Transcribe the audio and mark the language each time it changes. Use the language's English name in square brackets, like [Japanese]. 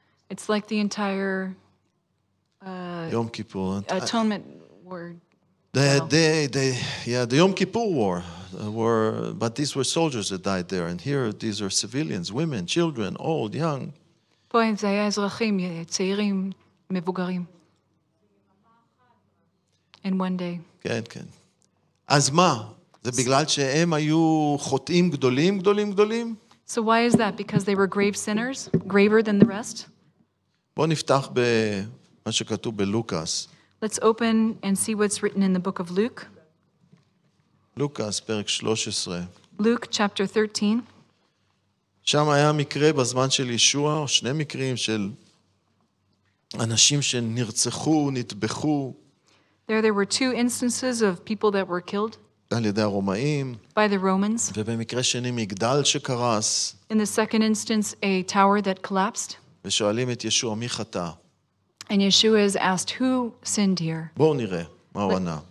[English] It's like the entire... [Hebrew] יום כיפור. [English] Atonement war. The Yom Kippur war were, but these were soldiers that died there, and here these are civilians, women, children, old, young. [Hebrew] פה הם זה היה אזרחים, צעירים, מבוגרים. [English] In one day. [Hebrew] כן, כן. אז מה? זה בגלל שהם היו חוטאים גדולים, גדולים, גדולים? [English] So why is that? Because they were grave sinners, graver than the rest? [Hebrew] בוא נפתח ב... מה שכתוב בלוקאס. [English] Let's open and see what's written in the book of Luke. [Hebrew] לוקאס, פרק 13. [English] Luke, chapter 13. [Hebrew] שם היה מקרה בזמן של ישוע, שני מקרים של אנשים שנרצחו, נטבחו. [English] There were two instances of people that were killed. [Hebrew] על ידי הרומאים. [English] By the Romans. [Hebrew] ובמקרה שני, מגדל שקרס. [English] In the second instance, a tower that collapsed. [Hebrew] ושואלים את ישוע, מי חטא? [English] And Yeshua is asked, who sinned here? [Hebrew] בואו נראה מה הוא ענה.